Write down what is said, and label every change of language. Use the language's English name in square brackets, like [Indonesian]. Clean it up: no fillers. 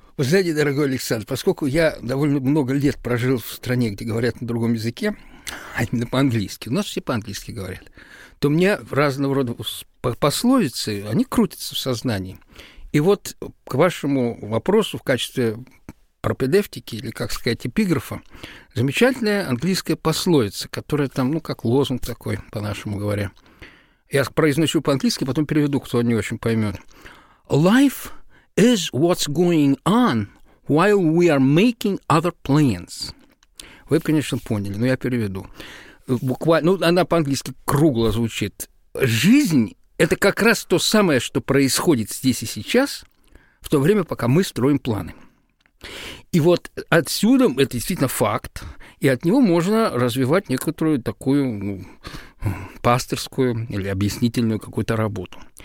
[Russian] Вы знаете, дорогой Александр, поскольку я довольно много лет прожил в стране, где говорят на другом языке, а именно по-английски, у нас все по-английски говорят, то у меня разного рода пословицы, они крутятся в сознании. И вот к вашему вопросу в качестве пропедевтики, или, как сказать, эпиграфа, замечательная английская пословица, которая там, ну, как лозунг такой, по-нашему говоря. Я произношу по-английски, потом переведу, кто не очень поймет. [English] Life is what's going on while we are making other plans. [Russian] Вы, конечно, поняли, но я переведу. Буквально, ну, она по-английски кругло звучит. Жизнь — это как раз то самое, что происходит здесь и сейчас, в то время, пока мы строим планы. И вот отсюда это действительно факт, и от него можно развивать некоторую такую, ну, пастырскую или объяснительную какую-то работу.